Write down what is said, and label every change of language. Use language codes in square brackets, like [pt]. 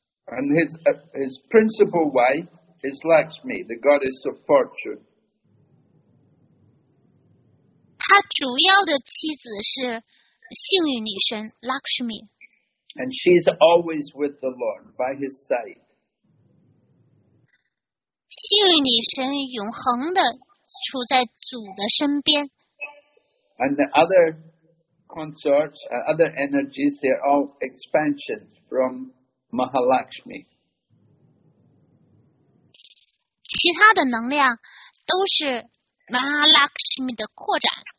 [en] And his principal wife is Lakshmi, the goddess of fortune. [zh] 他主要的妻子是幸运女神 Lakshmi。 [en] And she's always with the Lord by his side. [zh] 幸运女神永恒的处在主的身边。 [en] And the other consorts, other energies, they're all expansions from Mahalakshmi. [zh] 其他的能量都是 Mahalakshmi 的扩展。